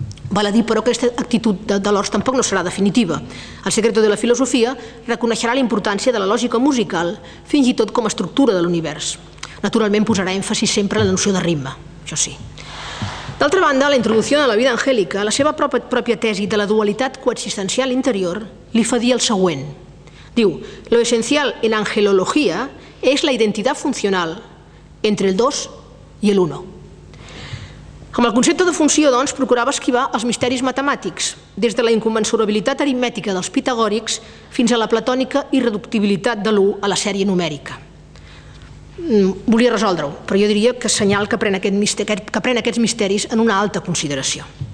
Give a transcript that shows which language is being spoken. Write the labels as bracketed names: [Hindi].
[Catalan] Val a dir, però, que aquesta actitud de l'Hors tampoc no serà definitiva. El Secreto de la filosofia reconeixerà la importància de la lògica musical, fins i tot com a estructura de l'univers. Naturalment posarà èmfasi sempre en la noció de ritme, això sí. D'altra banda, la introducció de la vida angèlica, la seva pròpia tesi de la dualitat coexistencial interior, li fa dir el següent. [Spanish] Diu, lo esencial en angelología es la identidad funcional entre el dos y el uno. [Catalan] Com el concepte de funció, doncs, procurava esquivar els misteris matemàtics, des de la incommensurabilitat aritmètica dels pitagòrics fins a la platònica irreductibilitat de l'1 a la sèrie numèrica. Volia resoldre-ho, però jo diria que senyal que pren, aquests misteris en una alta consideració.